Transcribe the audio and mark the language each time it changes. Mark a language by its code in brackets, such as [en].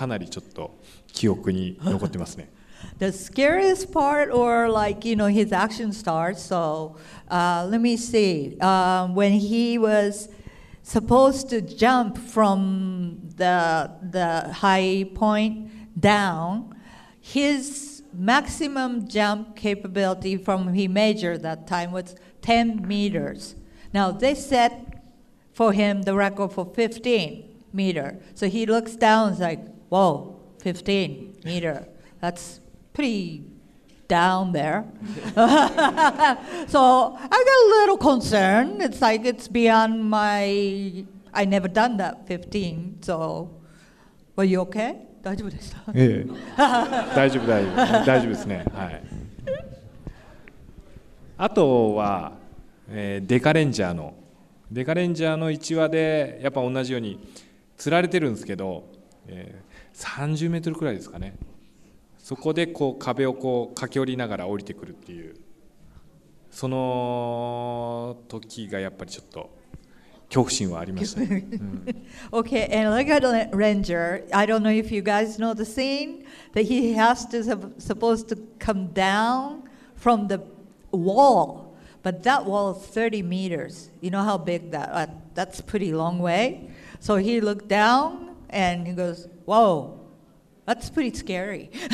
[ja] なんか危ないことは危ない。危ないことはガオレンジャーの時に、やっぱ15メーターの高さから落下のアクションがあったんですけども、10メートル以上がそれが初めてだったんで、それがかなりちょっと記憶に残ってますね。 [en] The scariest part or like, you know, his action starts, so let me see. When he was supposed to jump from the high point down, his maximum jump capability from he major that time was 10 meters. Now they set for him the record for 15 meter. So he looks down, it's like, whoa, 15 meter. That's pretty down there. So I got a little concerned. It's like it's beyond my, I never done that 15. So, were you okay? [ja] 大丈夫でした。大丈夫、大丈夫、大丈夫ですね。はい。あとは、デカレンジャーの、デカレンジャーの1話でやっぱ同じように釣られてるんですけど、30メートルくらいですかね。そこでこう壁をこう駆け下りながら降りてくるっていう、その時がやっぱりちょっと [en] Okay, and like a ranger, I don't know if you guys know the scene, that he has to supposed to come down from the wall, but that wall is 30 meters. You know how big that, that's pretty long way. So he looked down and he goes, whoa, that's pretty scary.